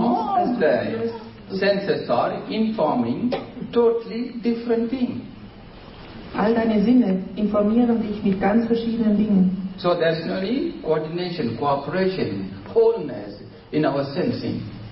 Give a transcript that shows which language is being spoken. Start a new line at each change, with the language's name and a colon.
English: All the senses are informing totally different things.
German: All deine Sinne informieren dich mit ganz verschiedenen Dingen.
English: So there's no need coordination, cooperation, wholeness in our sensing.